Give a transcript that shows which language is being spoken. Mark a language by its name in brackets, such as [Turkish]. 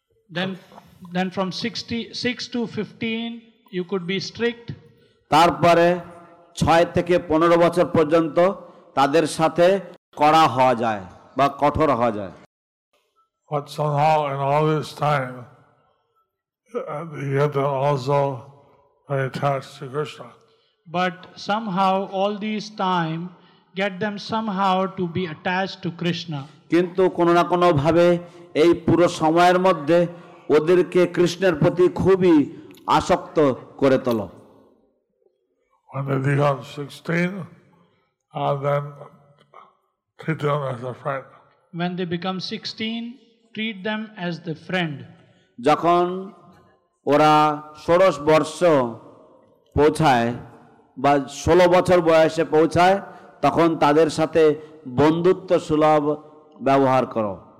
[English] Then from 6 to 15, you could be strict. [Bangla] তারপরে ছয় থেকে পনেরো বছর পর্যন্ত তাদের সাথে কড়া হওয়া যায় বা কঠোর হওয়া যায়। [English] But somehow in all this time, you have to also be attached to Krishna. But somehow all these time, get them somehow to be attached to Krishna. [Bangla] কিন্তু কোনো না কোনো ভাবে এই পুরো সময়ের মধ্যে ওদেরকে কৃষ্ণের প্রতি খুবই আসক্ত করে তোল। [English] When they become 16, then treat them as a friend. When they become 16, treat them as the friend. [Bangla] যখন ওরা ষোড়শ বর্ষ পৌঁছায় বা ষোলো বছর বয়সে পৌঁছায় তখন তাদের সাথে বন্ধুত্ব সুলভ ব্যবহার করো।